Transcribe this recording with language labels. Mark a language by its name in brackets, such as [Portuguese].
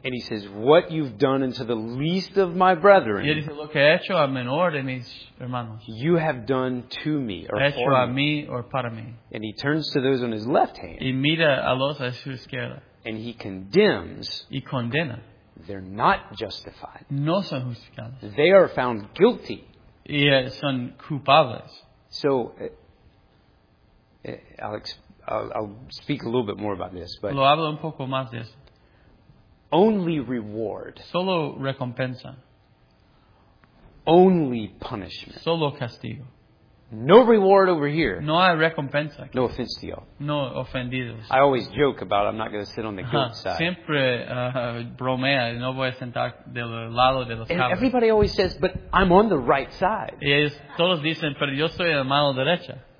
[English] And he says, "What you've done unto the least of my brethren." [Spanish] Y él dice, lo que he hecho a menor de mis hermanos. [English] You have done to me or [Spanish] he hecho [English] for a me. [Spanish] Mí [English] or [Spanish] para mí. [English] And he turns to those on his left hand. [Spanish] Y mira a los a su izquierda. [English] And he condemns. [Spanish] Y condena. [English] They're not justified. [Spanish] No son justificados. [English] They are found guilty. [Spanish] Y son culpables. [English] So, I'll speak a little bit more about this. But [Spanish] lo hablo un poco más de eso. [English] Only reward. [Spanish] Solo recompensa. [English] Only punishment. [Spanish] Solo castigo. [English] No reward over here. [Spanish] No hay recompensa. [English] No offense to y'all. [Spanish] No ofendidos. [English] I always joke about I'm not going to sit on the guilt side. [Spanish] Siempre bromea. No voy a sentar del lado de los cabros. [English] And everybody always says, but I'm on the right side. [Spanish] Y ellos todos dicen, pero yo estoy en la mano derecha.